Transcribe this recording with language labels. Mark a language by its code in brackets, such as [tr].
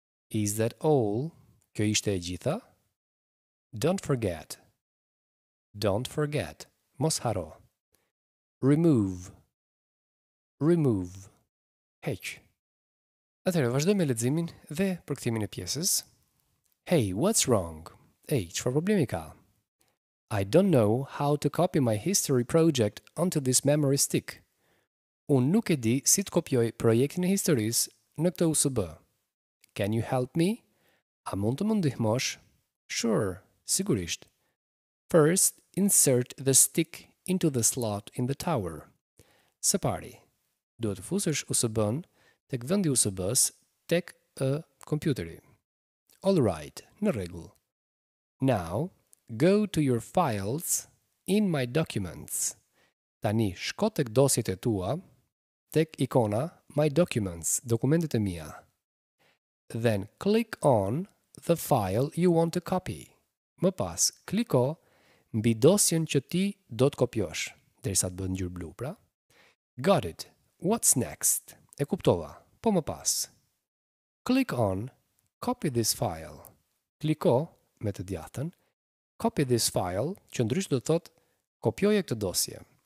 [en] Is that all? [sq] Kjo ishte e gjitha? [en] Don't forget. Don't forget. [sq] Mos haro. [en] Remove. Remove. [sq] Heq. Atëherë vazhdoj me leximin dhe përkthimin e pjesës. [en] Hey, what's wrong? [sq] Hey, çfarë problemi ka? [en] I don't know how to copy my history project onto this memory stick. [sq] Unë nuk e di si të kopjoj projektin e historisë në këtë USB. [en] Can you help me? [sq] A mund të më ndihmosh? [en] Sure, [sq] sigurisht. [en] First, insert the stick into the slot in the tower. [sq] Së pari, duhet të fusësh USB-n tek vendi I USB-s tek kompjuteri. [en] All right, [sq] në rregull. [en] Now, go to your files in my documents. [sq] Tani, shko tek dosjet e tua, tek ikona My Documents, dokumentet e mia. [en] Then click on the file you want to copy. [sq] Më pas, kliko mbi dosjen që ti do të kopjosh, derisa të bëhet ngjyrë blu, pra. [en] Got it. What's next? [sq] E kuptova. Po më pas. [en] Click on copy this file. [sq] Kliko me të djathtën [en] copy this file, [sq] që ndryshe do të thotë kopjoje këtë dosje.